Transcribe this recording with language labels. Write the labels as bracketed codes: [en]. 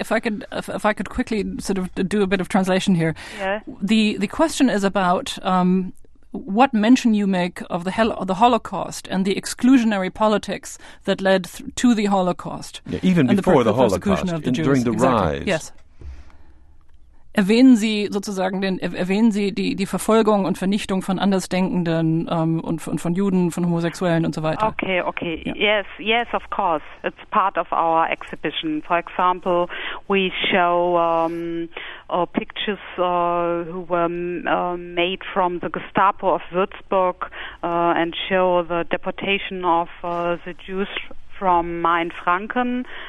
[en] If I could quickly sort of do a bit of translation here. Yeah. The question is about what mention you make of the Holocaust and the exclusionary politics that led to the Holocaust. Yeah, even before the Holocaust, during the rise. Yes. [de] Erwähnen Sie sozusagen die Verfolgung und Vernichtung von Andersdenkenden und von Juden, von Homosexuellen und so weiter? [en] Okay. Yeah. Yes, of course. It's part of our exhibition. For example, we show pictures who were made from the Gestapo of Würzburg and show the deportation of the Jews from Mainfranken.